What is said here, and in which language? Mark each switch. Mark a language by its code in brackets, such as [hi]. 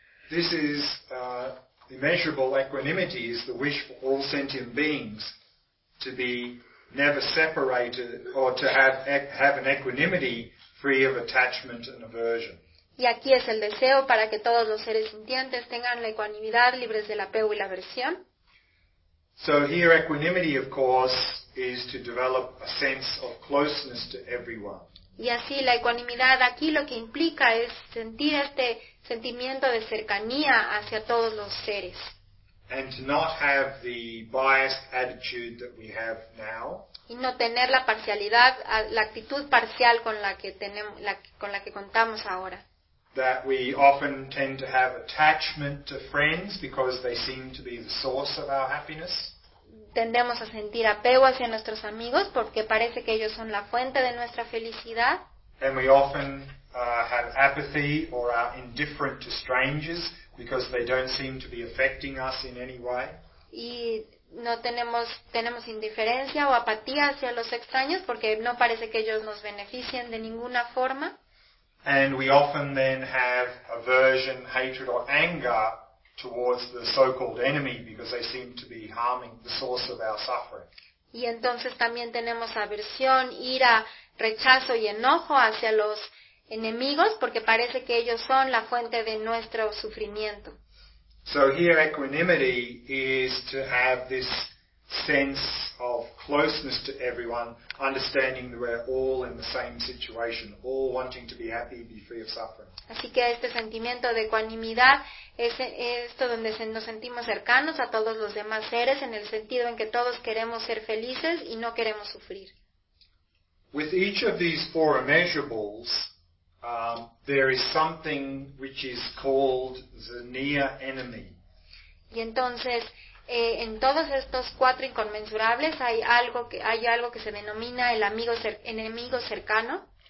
[en] This is immeasurable equanimity is the wish for all sentient beings to be never separated or to have an equanimity free of attachment and aversion. [es] Y aquí es el deseo para que todos los seres sintientes tengan la ecuanimidad libres del apego y la aversión. [en] So here equanimity, of course, is to develop a sense of closeness to everyone. [es] Y así la ecuanimidad aquí lo que implica es sentir este sentimiento de cercanía hacia todos los seres. [en] And to not have the biased attitude that we have now. [es] Y no tener la parcialidad, la actitud parcial con la que tenemos, con la que contamos ahora. [en] That we often tend to have attachment to friends because they seem to be the source of our happiness. [es] Tendemos a sentir apego hacia nuestros amigos porque parece que ellos son la fuente de nuestra felicidad. [en] And we often have apathy or are indifferent to strangers because they don't seem to be affecting us in any way. [es] Y no tenemos indiferencia o apatía hacia los extraños porque no parece que ellos nos beneficien de ninguna forma. [en] And we often then have aversion, hatred, or anger towards the so-called enemy because they seem to be harming the source of our suffering. [es] Y entonces también tenemos aversión, ira, rechazo y enojo hacia los enemigos porque parece que ellos son la fuente de nuestro sufrimiento. [en] So here equanimity is to have this sense of closeness to everyone, understanding that we're all in the same situation, all wanting to be happy, be free of suffering. [es] Así que este sentimiento de ecuanimidad es esto donde nos sentimos cercanos a todos los demás seres en el sentido en que todos queremos ser felices y no queremos sufrir. [en] With each of these four immeasurables, there is something which is called the near enemy. [es] Y entonces en todos estos cuatro inconmensurables hay algo que se denomina el amigo enemigo cercano.